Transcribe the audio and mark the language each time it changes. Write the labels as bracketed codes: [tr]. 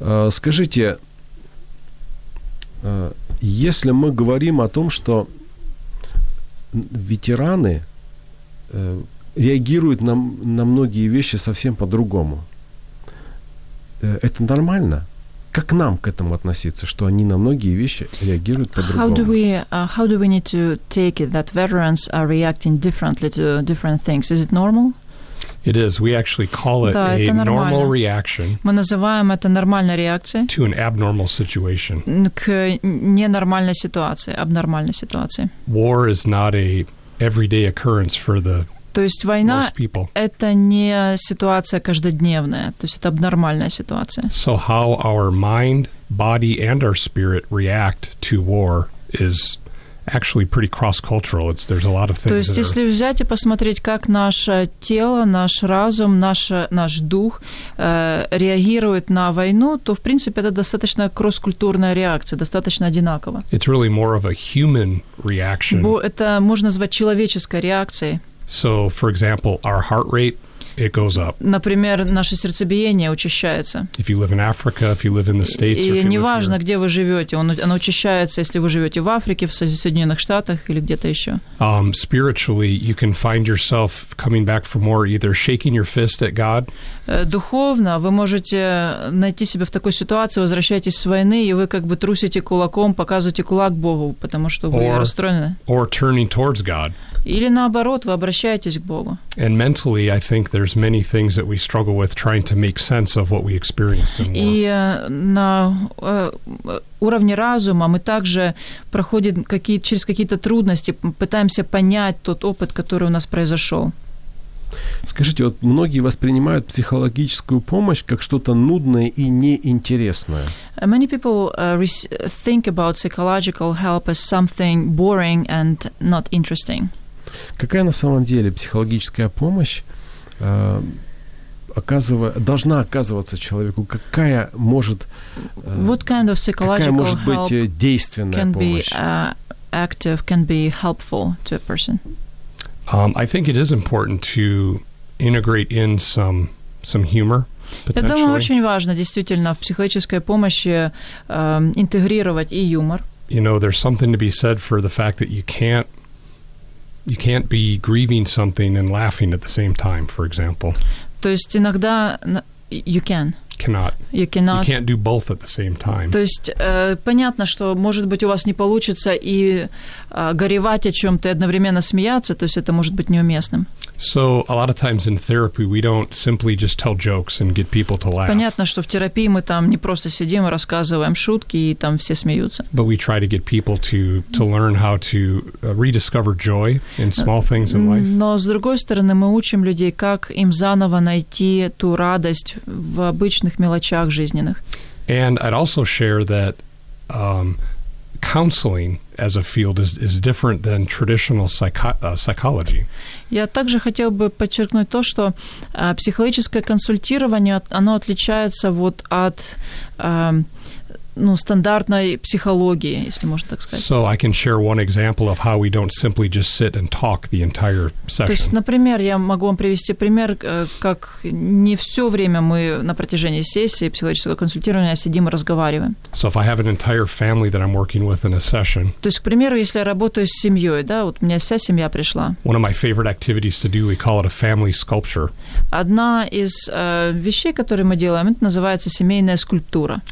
[ru] Скажите, если мы говорим о том, что ветераны реагируют на многие вещи совсем по-другому, это нормально? Как нам к этому относиться, что они на многие вещи реагируют по-другому? [en] How do we need to take it that veterans are reacting differently to different things? Is it normal? It is. We actually call it [ru] да, [en] a normal reaction. [ru] Мы называем это нормальной реакцией. [en] To an abnormal situation. [ru] К ненормальной ситуации, абнормальной ситуации. [en] War is not a everyday occurrence for the [ru] То есть война – это не ситуация каждодневная, то есть это абнормальная ситуация. [en] So how our mind, body, and our spirit react to war is actually pretty cross-cultural. It's, there's a lot of things. [ru] То есть, [en] that [ru] если взять и посмотреть, как наше тело, наш разум, наш дух реагирует на войну, то в принципе это достаточно кросс-культурная реакция, достаточно одинаково. [en] It's really more of a human reaction. [ru] Бо это можно назвать человеческой реакцией. [en] So, for example, our heart rate. It goes up. [ru] Например, наше сердцебиение учащается. [en] If you live in Africa, if you live in the States, [ru] и неважно, где вы живете, оно учащается, если вы живете в Африке, в Соединенных Штатах или где-то еще. [en] Spiritually, you can find yourself coming back for more, either shaking your fist at God. [ru] Духовно вы можете найти себя в такой ситуации, возвращаетесь с войны, и вы как бы трусите кулаком, показываете кулак Богу, потому что вы расстроены. [en] Or turning towards God. [ru] Или наоборот, вы обращаетесь к Богу. [en] And mentally, I think there's many things that we struggle with trying to make sense of what we experienced in war. [ru] И на уровне разума мы также проходим через какие-то трудности, пытаемся понять тот опыт, который у нас произошел. Скажите, вот многие воспринимают психологическую помощь как что-то нудное и неинтересное. [en] Many people think about psychological help as something boring and not interesting. [ru] Какая на самом деле психологическая помощь должна оказываться человеку? Какая может, [en] what kind of psychological [ru] какая может быть [en] help [ru] действенная [en] can [ru] помощь? [en] Be, active, can be helpful to a person? I think it is important to integrate in some humor. [ru] Я думаю, очень важно действительно в психологической помощи интегрировать и юмор. [en] You know, there's something to be said for the fact that you can't be grieving something and laughing at the same time, for example. [ru] То есть иногда [en] you can. Cannot. You cannot. You can't do both at the same time. [ru] То есть понятно, что может быть у вас не получится и горевать о чем-то и одновременно смеяться, то есть это может быть неуместным. [en] So a lot of times in therapy we don't simply just tell jokes and get people to laugh. [ru] Понятно, что в терапии мы там не просто сидим и рассказываем шутки и там все смеются. [en] But we try to get people to learn how to rediscover joy in small things in life. [ru] Но с другой стороны, мы учим людей, как им заново найти ту радость в обычных мелочах жизненных. [en] And I'd also share that counseling as a field is different than traditional psychology. [ru] Я также хотел бы подчеркнуть то, что психологическое консультирование, оно отличается вот от стандартной психологии, если можно так сказать. [en] So I can share one example of how we don't simply just sit and talk the entire session. [ru] То есть, например, я могу вам привести пример, как не все время мы на протяжении сессии психологического консультирования сидим и разговариваем. [en] So if I have an entire family that I'm working with in a session. [ru] То есть, к примеру, если я работаю с семьей, да, вот у меня вся семья пришла. [en] One of my favorite activities to do, we call it a family sculpture. [ru] Одна из вещей, которые мы делаем, это называется семейная скульптура.